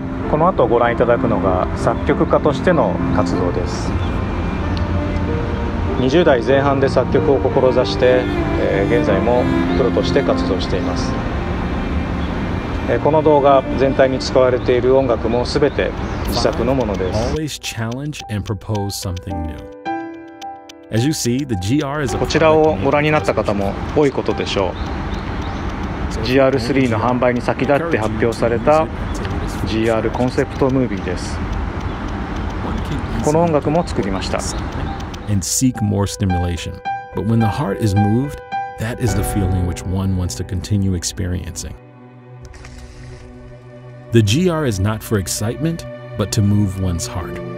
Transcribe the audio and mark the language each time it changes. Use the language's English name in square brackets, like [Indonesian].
[Japanese] この後ご覧いただくのが作曲家としての活動です。 20代前半で作曲を志して、現在もプロとして活動しています。この動画全体に使われている音楽もすべて自作のものです。 [English] Always challenge and propose something new. As you see, the GR is a... [Japanese] こちらをご覧になった方も多いことでしょう。 GR3 の販売に先立って発表されたGR コンセプトムービーです。この音楽も作りました。 [English] And seek more stimulation. But when the heart is moved, that is the feeling which one wants to continue experiencing. The GR is not for excitement, but to move one's heart.